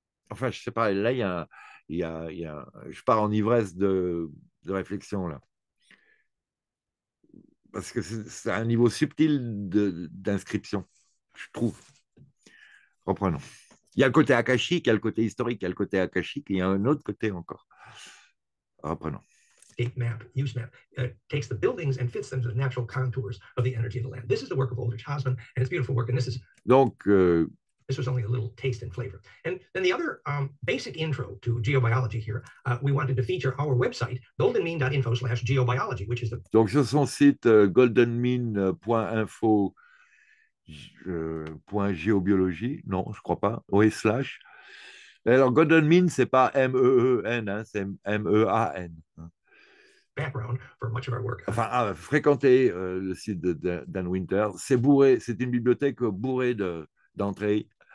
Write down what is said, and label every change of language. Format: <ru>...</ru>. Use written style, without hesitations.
<fr>Enfin, je ne sais pas, là, je pars en ivresse de réflexion, là. Parce que c'est un niveau subtil d'inscription, je trouve. Reprenons. Il y a le côté akashique, il y a le côté historique, il y a le côté akashique, et il y a un autre côté encore. Reprenons.</fr> <en>State map, use map, takes the buildings and fits them to the natural contours of the energy of the land. This is the work of Aldrich Hausmann, and it's beautiful work, and this is...</en> <fr>Donc,</fr> <en>this was only a little taste and flavor. And then the other basic intro to geobiology here, we wanted to feature our website, goldenmean.info/geobiology, which is the...</en> <fr>Donc, sur son site, goldenmean.info, point géobiologie, non, je crois pas, oui, slash. Alors, Golden Mean, c'est pas M-E-E-N, hein, c'est M-E-A-N.</fr> <en>Background for much of our work.</en> <fr>Enfin, fréquenter le site de Dan Winter, c'est bourré, c'est une bibliothèque bourrée d'entrées.</fr>